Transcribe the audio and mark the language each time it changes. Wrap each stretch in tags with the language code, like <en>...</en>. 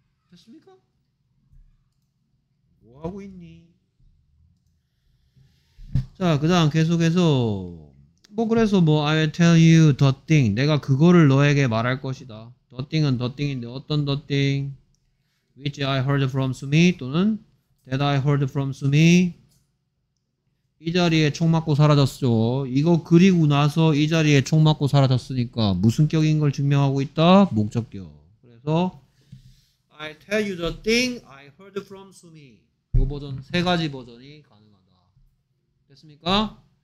<ko>됐습니까? 뭐 하고 있니? 자, 그다음 계속해서 뭐 그래서 뭐</ko> <en>I will tell you the thing.</en> <ko>내가 그거를 너에게 말할 것이다.</ko> <en>The thing은 the thing인데</en> <ko>어떤</ko> <en>the thing? Which I heard from Sumi 또는 that I heard from Sumi.</en> <ko>이 자리에 총 맞고 사라졌죠. 이거 그리고 나서 이 자리에 총 맞고 사라졌으니까 무슨 격인 걸 증명하고 있다? 목적격. 그래서</ko> <en>I tell you the thing I heard from Sumi.</en> <ko>요 버전, 세 가지 버전이 가능하다. 됐습니까?</ko>